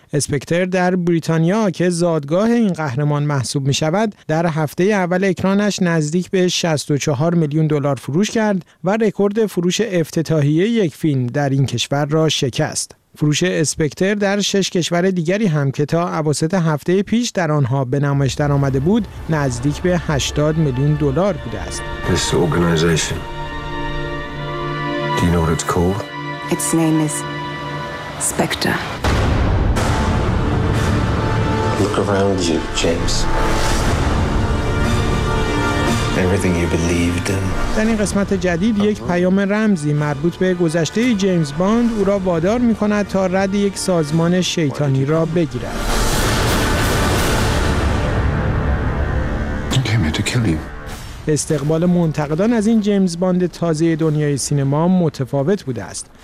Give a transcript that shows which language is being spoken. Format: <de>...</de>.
<fa>اسپکتر در بریتانیا که زادگاه این قهرمان محسوب می شود، در هفته اول اکرانش نزدیک به 64 میلیون دلار فروش کرد و رکورد فروش افتتاحیه یک فیلم در این کشور را شکست. فروش اسپکتر در 6 کشور دیگری هم که تا اواسط هفته پیش در آنها به نمایش در آمده بود، نزدیک به 80 میلیون دلار بوده است.</fa> <en>This organization. Do you know what it's called? Its name is Spectre. Look around you, James. Everything you believed in.</en> <fa>در این قسمت جدید یک پیام رمزی مربوط به گذشته جیمز باند او را وادار می‌کند تا رد یک سازمان شیطانی را بگیرد. استقبال منتقدان از این جیمز باند تازه دنیای سینما متفاوت بوده است.</fa>